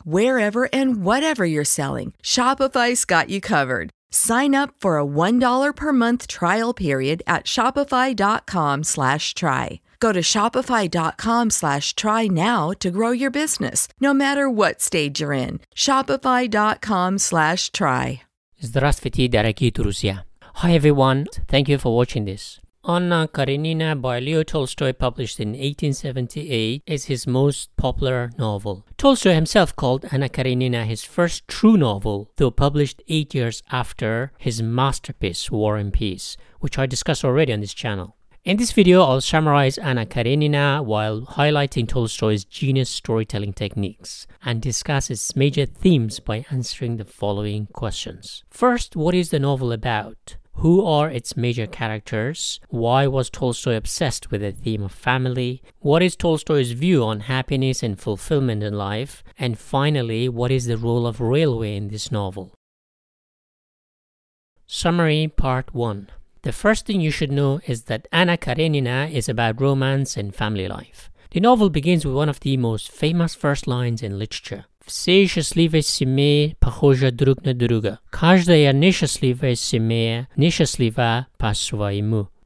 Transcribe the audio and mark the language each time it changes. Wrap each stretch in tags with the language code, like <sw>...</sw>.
<en>Wherever and whatever you're selling, Shopify's got you covered. Sign up for a $1 per month trial period at shopify.com/try. Go to shopify.com/try now to grow your business, no matter what stage you're in. Shopify.com/try.</en> <ru>Здравствуйте, дорогие друзья.</ru> <en>Hi everyone, thank you for watching this. Anna Karenina by Leo Tolstoy, published in 1878, is his most popular novel. Tolstoy himself called Anna Karenina his first true novel, though published 8 years after his masterpiece, War and Peace, which I discussed already on this channel. In this video, I'll summarize Anna Karenina while highlighting Tolstoy's genius storytelling techniques and discuss its major themes by answering the following questions. First, what is the novel about? Who are its major characters? Why was Tolstoy obsessed with the theme of family? What is Tolstoy's view on happiness and fulfillment in life? And finally, what is the role of railway in this novel? Summary Part 1. The first thing you should know is that Anna Karenina is about romance and family life. The novel begins with one of the most famous first lines in literature.</en> <ru>Все счастливые семьи похожи друг на друга. Каждая несчастливая семья несчастлива по-своему.</ru>